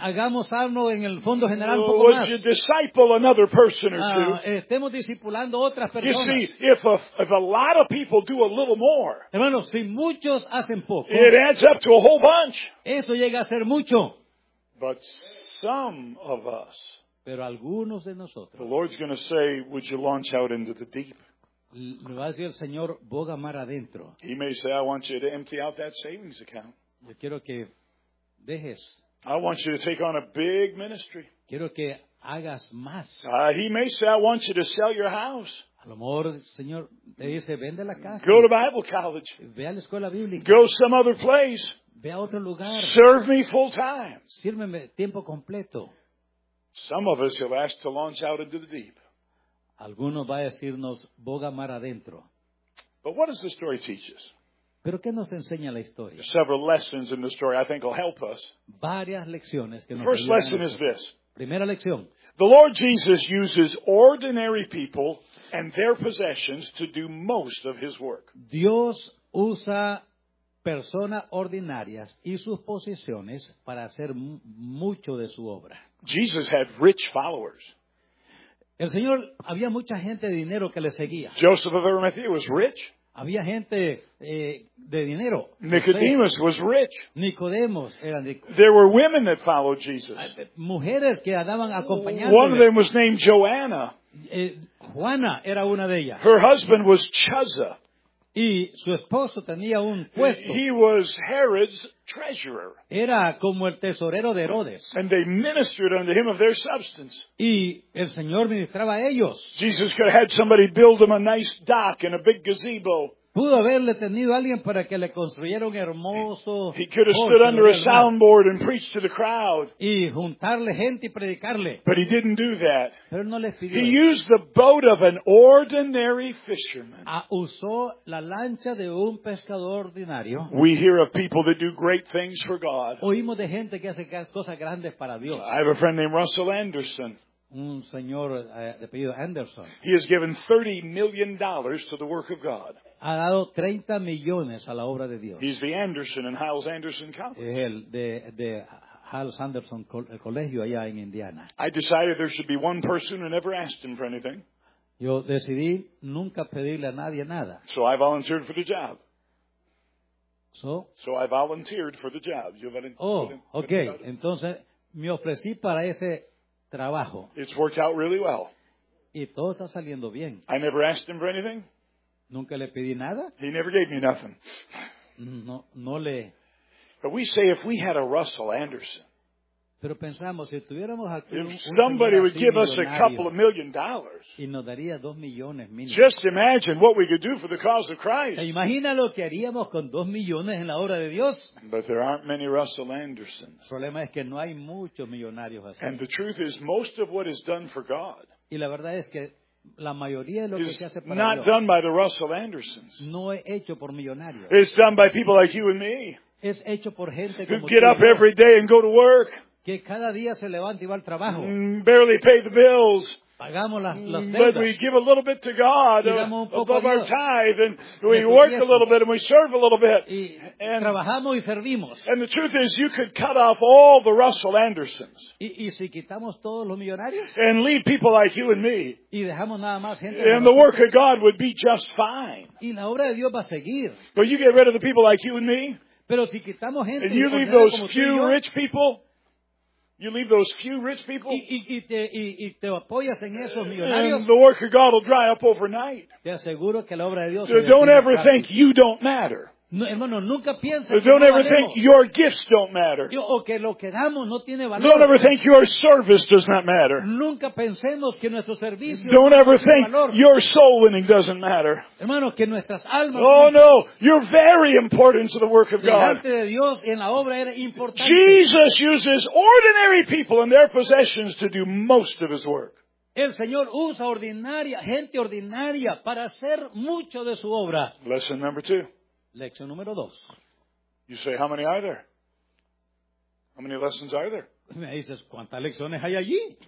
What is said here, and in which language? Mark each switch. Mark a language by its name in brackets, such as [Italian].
[Spanish] ¿Hagamos algo en el fondo general un poco [English] would [Spanish] más? [English] You disciple another person or two? [Spanish] ¿Estemos discipulando otras personas? [English] You see, if a lot of people do a little more, [Spanish] hermano, si muchos hacen poco, [English] it adds up to a whole bunch. [Spanish] Eso llega a ser mucho. [English] But some of us, [Spanish] pero algunos de nosotros, [English] the Lord's going to say, would you launch out into the deep? [Spanish] Le va a decir el Señor, boga mar adentro. [English] He may say, I want you to empty out that savings account. [Spanish] Yo quiero que dejes. [English] I want you to take on a big ministry. [Spanish] Quiero que hagas más. [English] He may say, I want you to sell your house. [Spanish] A lo mejor el Señor te dice, vende la casa. [English] Go to Bible college. [Spanish] Ve a la escuela bíblica. [English] Go some other place. [Spanish] Ve a otro lugar. [English] Serve me full time. [Spanish] Sírveme tiempo completo. [English] Some of us have asked to launch out into the deep. [Spanish] Algunos va a decirnos, boga mar adentro. [English] But what does the story teach us? [Spanish] ¿Pero qué nos enseña la historia? [English] There are several lessons in the story I think will help us. [Spanish] Varias lecciones que nos [English] first lesson is this. [Spanish] Primera lección. [English] The Lord Jesus uses ordinary people and their possessions to do most of his work. [Spanish] Dios usa personas ordinarias y sus posiciones para hacer mucho de su obra. [English] Jesus had rich followers. [Spanish] El Señor había mucha gente de dinero que le seguía. [English] Joseph of Arimathea was rich. [Spanish] Había gente de dinero. [English] Nicodemus was rich. [Spanish] Nicodemos era rico. [English] There were women that followed Jesus. [Spanish] Mujeres que andaban acompañando. [English] One of them was named Joanna. [Spanish] Juana era una de ellas. [English] Her husband was Chuza. [Spanish] Y su esposo tenía un puesto. [English] He was Herod's treasurer. [Spanish] Era como el tesorero de Herodes. [English] And they ministered unto him of their substance. [Spanish] Y el Señor ministraba a ellos. [English] Jesus could have had somebody build him a nice dock and a big gazebo. [Spanish] Pudo haberle tenido a alguien para que le construyera un hermoso. [English] He could have stood under a soundboard and preached to the crowd. [Spanish] Y juntarle gente y predicarle. [English] But he didn't do that. [Spanish] Pero no les pidió. [English] He used the boat of an ordinary fisherman. [Spanish] Usó la lancha de un pescador ordinario. [English] We hear of people that do great things for God. [Spanish] Oímos de gente que hace cosas grandes para Dios. [English] I have a friend named Russell Anderson. [Spanish] Un señor de apellido Anderson. [English] He has given $30 million to the work of God. [Spanish] Ha dado 30 millones a la obra de Dios. [English] He's the Anderson and Hiles Anderson College. [Spanish] Es el de Hiles Anderson Colegio allá en Indiana. [English] I decided there should be one person and never asked him for anything. [Spanish] Yo decidí nunca pedirle a nadie nada. [English] So I volunteered for the job. So I volunteered for the job. Okay. [Spanish] Entonces me ofrecí para ese trabajo. [English] It's worked out really well. [Spanish] Y todo está saliendo bien. [English] I never asked him for anything. [Spanish] Nunca le pedí nada. [English] He never gave me nothing. [Spanish] No le. [English] But we say if we had a Russell Anderson. [Spanish] Pero pensamos, si tuviéramos aquí [English] if somebody would give us a couple of million dollars. [Spanish] Y nos daría 2 millones mínimo. [English] Just imagine what we could do for the cause of Christ. [Spanish] Imagina lo que haríamos con 2 millones en la obra de Dios. [English] But there aren't many Russell Andersons. [Spanish] El problema es que no hay muchos millonarios así. [English] And the truth is most of what is done for God. [Spanish] Y la verdad es que la mayoría de lo que se hace para [English] not [Spanish] Dios, [English] done by the Russell Andersons. [Spanish] No es hecho por millonarios. [English] It's done by people like you and me. [Spanish] Es hecho por gente [English] who [Spanish] como [English] get up every day and go to work. [Spanish] Que cada día se levanta y va al trabajo. [English] Barely pay the bills. [Spanish] Pagamos las deudas. [English] But we give a little bit to God above our tithe. And we work a little bit and we serve a little bit. [Spanish] Y trabajamos y servimos. [English] And the truth is you could cut off all the Russell Andersons. [Spanish] ¿Y si quitamos todos los millonarios? [English] And leave people like you and me. [Spanish] Y dejamos nada más gente. [English] And the work of God would be just fine. [Spanish] Y la obra de Dios va a seguir. [English] But you get rid of the people like you and me. [Spanish] Pero si quitamos gente. [English] And you leave those few rich people. You leave those few rich people. [Spanish] Y te apoyas en esos millonarios. [English] And the work of God will dry up overnight. [Spanish] Te aseguro que la obra de Dios. [English] So don't ever think you don't matter. [Spanish] No, hermano, nunca pienses. [English] So don't ever think your gifts don't matter. [Spanish] O que lo que damos no tiene valor. [English] Don't ever think your service does not matter. [Spanish] Nunca pensemos que nuestro servicio no tiene valor. [English] Don't ever think your soul winning doesn't matter. [Spanish] Hermano, que nuestras almas. [English] Oh no, you're very important to the work of God. [Spanish] Delante de Dios en la obra era importante. [English] Jesus uses ordinary people and their possessions to do most of his work. [Spanish] El Señor usa ordinaria, gente ordinaria para hacer mucho de su obra. [English] Lesson number two. [Spanish] Lección número dos. [English] You say, how many are there? How many lessons are there? [Spanish] Me dices, ¿cuántas lecciones hay allí?